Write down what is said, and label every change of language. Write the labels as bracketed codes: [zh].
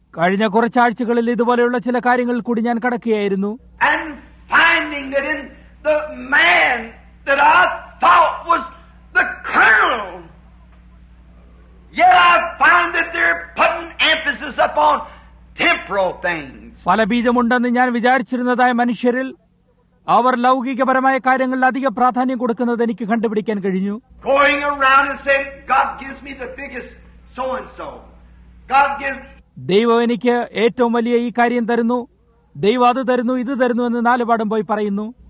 [ml] കഴിഞ്ഞ കുറച്ചാഴ്ചകളിൽ ഇതുപോലെയുള്ള ചില കാര്യങ്ങൾ കൂടി ഞാൻ കടക്കുകയായിരുന്നു. [en] And finding that in the man that I thought was the colonel, yet I find that they're putting emphasis upon temporal things. [ml] പല ബീജമുണ്ടെന്ന് ഞാൻ വിചാരിച്ചിരുന്നതായ മനുഷ്യരിൽ അവർ ലൗകികപരമായ കാര്യങ്ങളിൽ അധികം പ്രാധാന്യം കൊടുക്കുന്നത് എനിക്ക് കണ്ടുപിടിക്കാൻ കഴിഞ്ഞു. [en] going around and saying God gives me the biggest so and so God gives [ml] ദൈവം എനിക്ക് ഏറ്റവും വലിയ ഈ കാര്യം തരുന്നു, ദൈവം അത് തരുന്നു, ഇത് തരുന്നു എന്ന് നാലുപാടും പോയി പറയുന്നു.